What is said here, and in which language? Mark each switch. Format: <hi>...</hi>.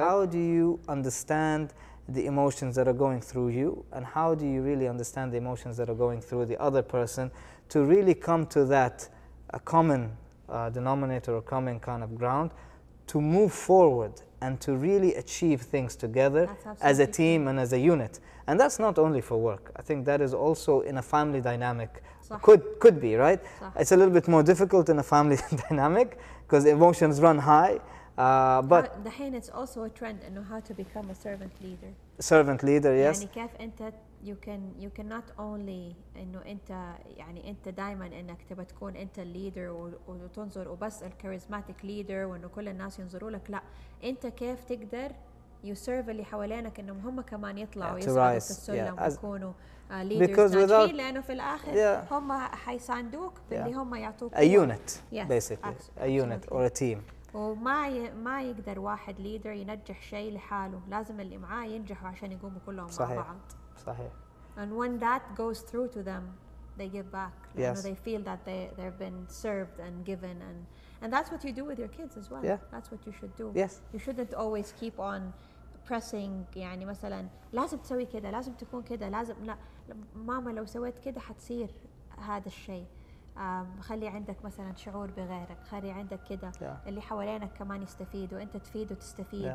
<en>How do you understand the emotions that are going through you, and how do you really understand the emotions that are going through the other person to really come to that a common denominator or common kind of ground to move forward and to really achieve things together as a team and as a unit. And that's not only for work. I think that is also in a family dynamic. Could be, right?</en> <ar>صح.</ar> <en>It's a little bit more difficult in a family dynamic because emotions run high. But دحين it's also a trend in how to become a servant leader. Servant leader, yes.</en> <ar>يعني كيف انت</ar> <en>you can not only</en> <ar>انه انت يعني انت دائما انك تبى تكون انت الليدر وتنظر وبس الكاريزماتيك ليدر وانه كل الناس ينظروا لك لا انت كيف تقدر</ar> <en>you serve</en> <ar>اللي حوالينك انهم هم كمان يطلعوا يسعدوا في السلم ويكونوا ليدرز ناجحين لانه في الاخر هم حيساندوك باللي هم يعطوك</ar> <en>a unit basically a unit or a team</en> <ar>وما يقدر واحد ليدر ينجح شيء لحاله لازم اللي معاه ينجحوا عشان يقوموا كلهم صحيح. مع بعض صحيح.</ar> <en>And when that goes through to them, they give back. Yes. You know, they feel that they've been served and given, and that's what you do with your kids as well. Yeah. That's what you should do. Yes. You shouldn't always keep on pressing.</en> <ar>يعني مثلاً لازم تسوي كده لازم تكون كده لازم لا ماما لو سويت كده حتصير هذا الشيء. خلي عندك مثلاً شعور بغيرك خلي عندك كده</ar> <en>yeah.</en> <ar>اللي حوالينك كمان يستفيد وأنت تفيد وتستفيد.</ar>